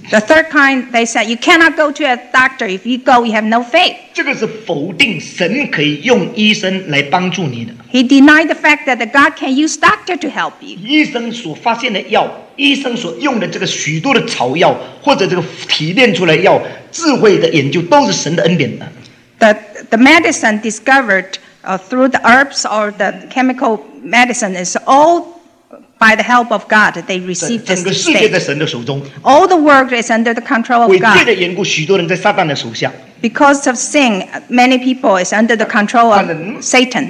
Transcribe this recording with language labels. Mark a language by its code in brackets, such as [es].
[en] the third kind, they said, you cannot go to a doctor. If you go, you have no faith. He denied the fact that God can use doctor to help you. [zh] 医生所发现的药, 医生所用的这个许多的草药, 或者这个提炼出来药, 智慧的研究, 都是神的恩典的。 [en] The medicine discovered through the herbs or the chemical medicine is all by the help of God. They received this state. [zh] 整个世界在神的手中, [en] all the world is under the control of God. [zh] 为罪的缘故, 许多人在撒旦的手下。 [en] Because of sin, many people is under the control of Satan.